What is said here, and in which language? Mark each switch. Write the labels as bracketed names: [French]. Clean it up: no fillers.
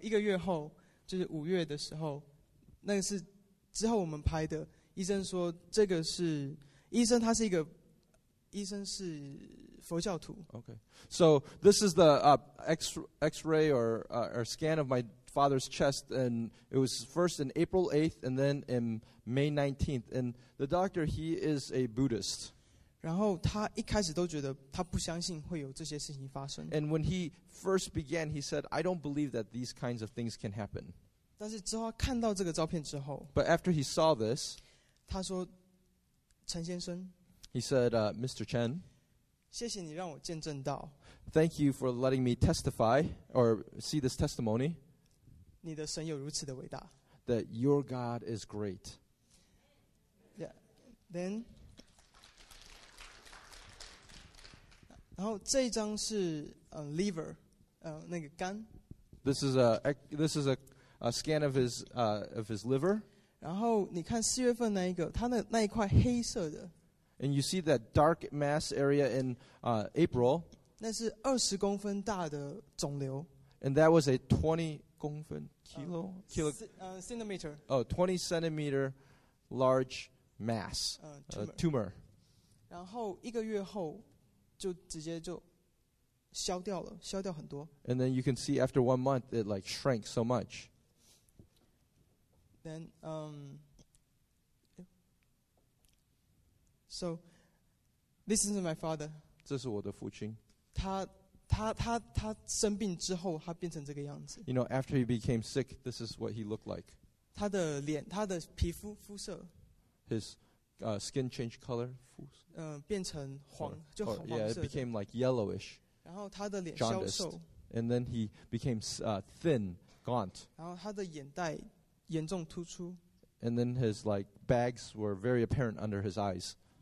[Chinese] 一个月后就是五月的时候，那个是之后我们拍的。医生说这个是医生，他是一个医生是。 [English] Okay, so this is the X-ray or scan of my father's chest, and it was first in April 8th and then in May 19th. And the doctor, he is a Buddhist. [Chinese] 然后他一开始都觉得他不相信会有这些事情发生。 [English] And when he first began, he said, "I don't believe that these kinds of things can happen." [Chinese] 但是之后看到这个照片之后 [English] ，But after he saw this, [Chinese] 他说，陈先生 [English] ，He said, "Mr. Chen." [Chinese] 谢谢你让我见证到。 [English] Thank you for letting me testify or see this testimony. [Chinese] 你的神有如此的伟大。 [English] That your God is great. Yeah. Then, [Chinese] 然后这一张是liver, 那个肝。 [English] This is a scan of his liver. [Chinese] 然后你看四月份那一个，他那一块黑色的。 [English] And you see that dark mass area in April. [Chinese] 那是二十公分大的肿瘤。 [English] And that was a 20公分 kilo kilo centimeter. Oh, 20 centimeter large mass tumor. [Chinese] 然后一个月后就直接就消掉了，消掉很多。 [English] And then you can see after 1 month, it like shrank so much. Then So, this is my father. [Chinese] 这是我的父亲。他生病之后，他变成这个样子。 [English] You know, after he became sick, this is what he looked like. [Chinese] 他的脸，他的皮肤肤色。 [English] His skin changed color. [Chinese] 变成黄，就黄色。 [English] Yeah, it became like yellowish. [Chinese] 然后他的脸消瘦。 [English] And then he became thin, gaunt. [Chinese] 然后他的眼袋严重突出。 [English] And then his like bags were very apparent under his eyes.